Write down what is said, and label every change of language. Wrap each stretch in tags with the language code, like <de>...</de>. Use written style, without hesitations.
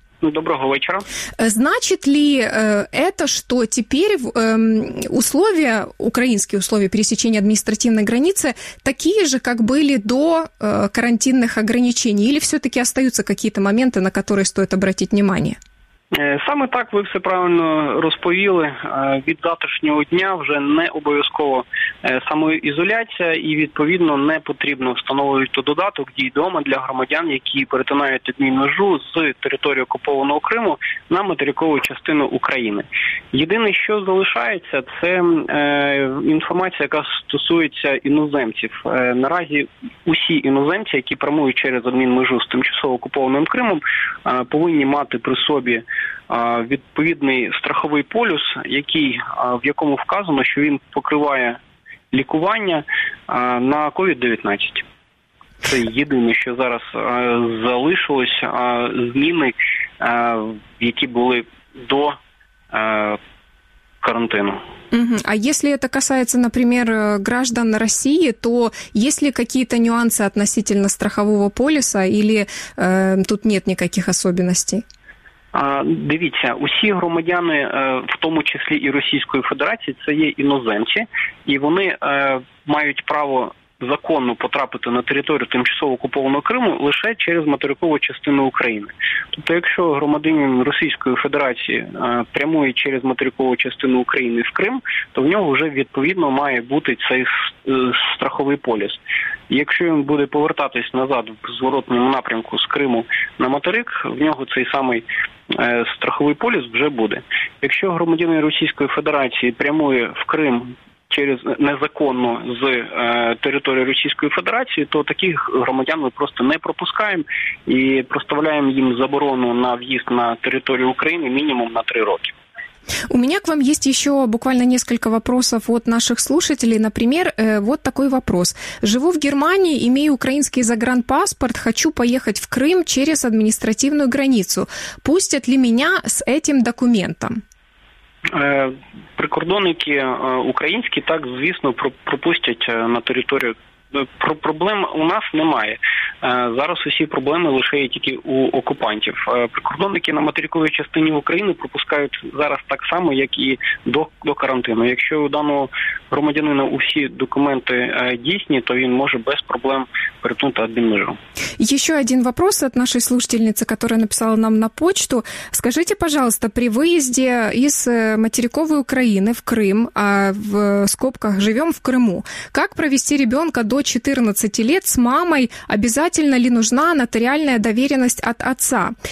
<uk>Доброго вечора.</uk> <ru>Значит ли это, что теперь условия, украинские условия пересечения административной границы такие же, как были до карантинных ограничений? Или все-таки остаются какие-то моменты, на которые стоит обратить внимание?</ru> <uk>Саме так, ви все правильно розповіли. Від завтрашнього дня вже не обов'язково самоізоляція і, відповідно, не потрібно встановлювати додаток «Дій дома» для громадян, які перетинають адмінмежу з території окупованого Криму на материкову частину України. Єдине, що залишається, це інформація, яка стосується іноземців. Наразі усі іноземці, які прямують через адмінмежу з тимчасово окупованим Кримом, повинні мати при собі відповідний страховий полюс, який, в якому вказано, що він покриває лікування на COVID-19. Це єдине, що зараз залишилося, зміни, які були до карантину.</uk> <ru>А если это касается, например, граждан России, то есть ли какие-то нюансы относительно страхового полюса или тут нет никаких особенностей?</ru> <uk>Дивіться, усі громадяни, в тому числі і Російської Федерації, це є іноземці, і вони мають право законно потрапити на територію тимчасово окупованого Криму лише через материкову частину України. Тобто, якщо громадянин Російської Федерації прямує через материкову частину України в Крим, то в нього вже відповідно має бути цей страховий поліс. Якщо він буде повертатись назад в зворотному напрямку з Криму на материк, в нього цей самий страховий поліс вже буде. Якщо громадянин Російської Федерації прямує в Крим через незаконно з території Російської Федерації, то таких громадян ми просто не пропускаємо і проставляємо їм заборону на в'їзд на територію України мінімум на 3 роки.</uk> <ru>У меня к вам есть еще буквально несколько вопросов от наших слушателей. Например, вот такой вопрос. Живу в Германии, имею украинский загранпаспорт, хочу поехать в Крым через административную границу. Пустят ли меня с этим документом?</ru> <uk>Прикордонники украинские, так, звісно, пропустять на територію Проблем у нас немає. Зараз усі проблеми лише є тільки у окупантів. Прикордонники на материковій частині України пропускають зараз так само, як і до карантину. Якщо у даного громадянина усі документи дійсні, то він може без проблем перетнути одну межу.</uk> <ru>Еще один вопрос от нашей слушательницы, которая написала нам на почту. Скажите, пожалуйста, при выезде из материковой Украины в Крым, а в скобках живем в Крыму, как провести ребенка до 14 лет с мамой? Обязательно ли нужна нотариальная доверенность от отца?</ru>